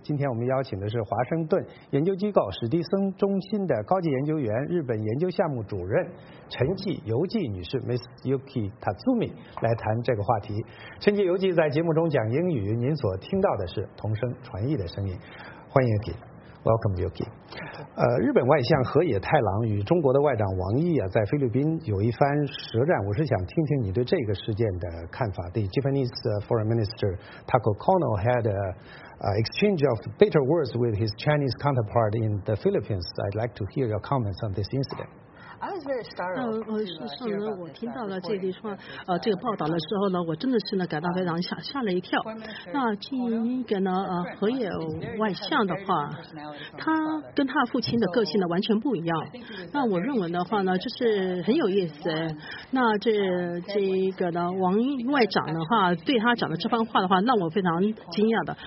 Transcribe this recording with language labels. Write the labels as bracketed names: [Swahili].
[Chinese] 今天我们邀请的是华盛顿研究机构史蒂森中心的高级研究员、日本研究项目主任陈纪由纪女士 Miss Yuki Tatsumi 来谈这个话题。陈纪由纪在节目中讲英语，您所听到的是同声传译的声音，欢迎 Yuki。 [English] Welcome, Yuki。 [Chinese] 日本外相河野太郎与中国的外长王毅啊，在菲律宾有一番舌战。我是想听听你对这个事件的看法。 [English] The Japanese Foreign Minister Taco Kono had an exchange of bitter words with his Chinese counterpart in the Philippines. I'd like to hear your comments on this incident. I was very startled. [Chinese] 上呢，我听到了这句话，这个报道的时候呢，我真的是呢感到非常吓了一跳。那这一个呢，河野外相的话，他跟他父亲的个性呢完全不一样。那我认为的话呢，就是很有意思。那这个呢，王外长的话对他讲的这番话的话，让我非常惊讶的。